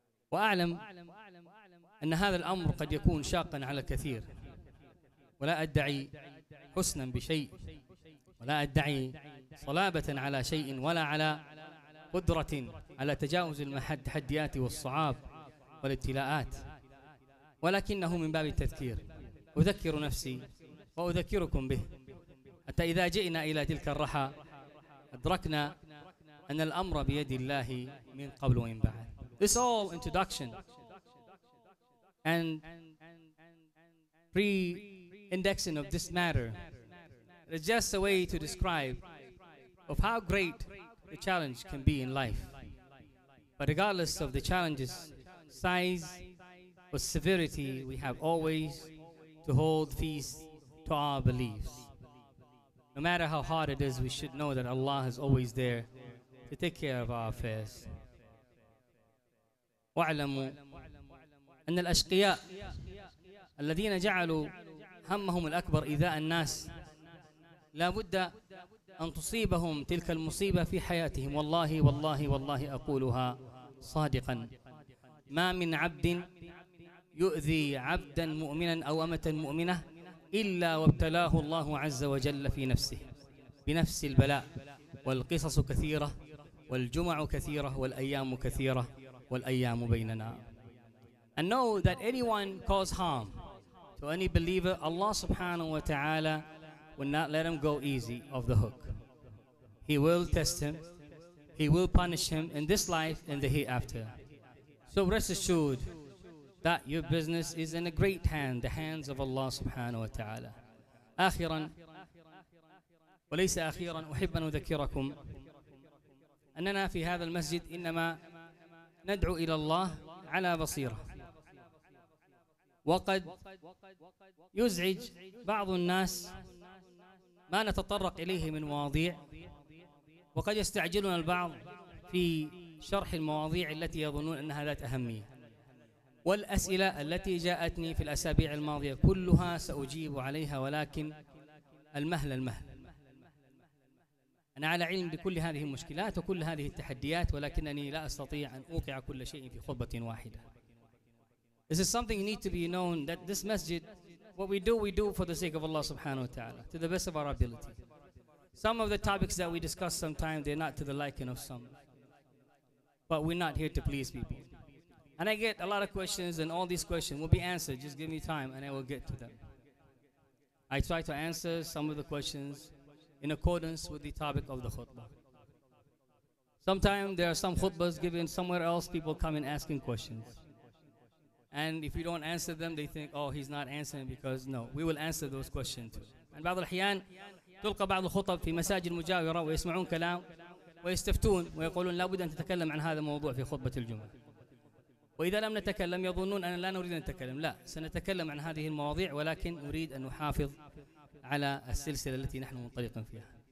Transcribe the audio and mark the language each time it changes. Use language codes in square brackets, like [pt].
[ar] وأعلم أن هذا الأمر قد يكون شاقا على الكثير، ولا أدعي حسنا بشيء، ولا أدعي صلابة على شيء، ولا على قدرة على تجاوز التحديات والصعاب والابتلاءات، ولكنه من باب التذكير أذكر نفسي وأذكركم به حتى إذا جئنا إلى تلك الرحى أدركنا أن الأمر بيد الله من قبل ومن بعد. [en] This all introduction and pre-indexing of this matter is just a way to describe of how great the challenge can be in life. But regardless of the challenge's size or severity, we have always to hold feast to our beliefs. No matter how hard it is, we should know that Allah is always there to take care of our affairs. [ar] واعلموا أن الأشقياء الذين جعلوا همهم الأكبر إيذاء الناس لا بد أن تصيبهم تلك المصيبة في حياتهم. والله والله والله أقولها صادقا، ما من عبد يؤذي عبدا مؤمنا أو أمة مؤمنة إلا وابتلاه الله عز وجل في نفسه بنفس البلاء. والقصص كثيرة والجمع كثيرة والأيام كثيرة والأيام بيننا. [en] And know that anyone cause harm to any believer, Allah subhanahu wa ta'ala will not let him go easy off the hook. He will test him. He will punish him in this life and the hereafter. So rest assured that your business is in a great hand, the hands of Allah subhanahu wa ta'ala. [ar] آخرا وليس آخرا أحب أن أذكركم أننا في هذا المسجد إنما ندعو إلى الله على بصيرة. وقد يزعج بعض الناس ما نتطرق إليه من مواضيع، وقد يستعجلنا البعض في شرح المواضيع التي يظنون أنها ذات أهمية. والأسئلة التي جاءتني في الأسابيع الماضية كلها سأجيب عليها، ولكن المهل المهل. أنا على علم بكل هذه المشكلات وكل هذه التحديات، ولكنني لا أستطيع أن أوقع كل شيء في خطبة واحدة. [en] This is something you need to be known that this masjid, what we do for the sake of Allah subhanahu wa ta'ala, to the best of our ability. Some of the topics that we discuss sometimes, they're not to the liking of some. But we're not here to please people. And I get a lot of questions, and all these questions will be answered. Just give me time and I will get to them. I try to answer some of the questions in accordance with the topic of the khutbah. Sometimes there are some khutbahs given somewhere else, people come and asking questions. And if you don't answer them, they think, oh, he's not answering, because no, we will answer those questions too. And [ar] بعض الأحيان تلقى بعض الخطب في مساجد مجاورة ويسمعون كلام ويستفتون ويقولون لابد أن تتكلم عن هذا الموضوع في خطبة الجمعة. وإذا لم نتكلم يظنون أننا لا نريد أن نتكلم. لا، سنتكلم عن هذه المواضيع، ولكن أريد أن نحافظ على السلسلة التي نحن منطلقين فيها.